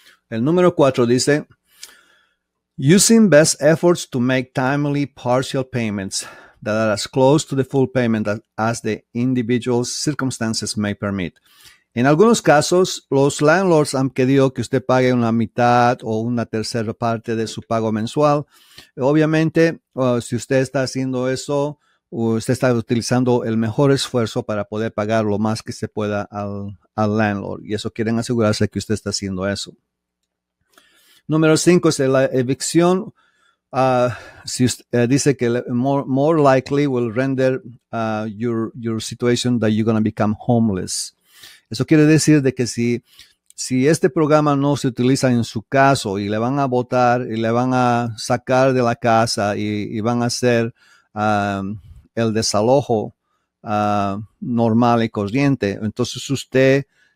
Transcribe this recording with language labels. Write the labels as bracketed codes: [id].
[es] El número 4 dice, [en] using best efforts to make timely partial payments that are as close to the full payment as the individual's circumstances may permit. [es] En algunos casos, los landlords han pedido que usted pague una mitad o una tercera parte de su pago mensual. Obviamente, si usted está haciendo eso, usted está utilizando el mejor esfuerzo para poder pagar lo más que se pueda al landlord. Y eso quieren asegurarse que usted está haciendo eso. Número 5 es la evicción. Dice que [en] more likely will render your situation that you're going to become homeless. [es] Eso quiere decir de que si este programa no se utiliza en su caso y le van a botar y le van a sacar de la casa y van a hacer el desalojo normal y corriente, entonces usted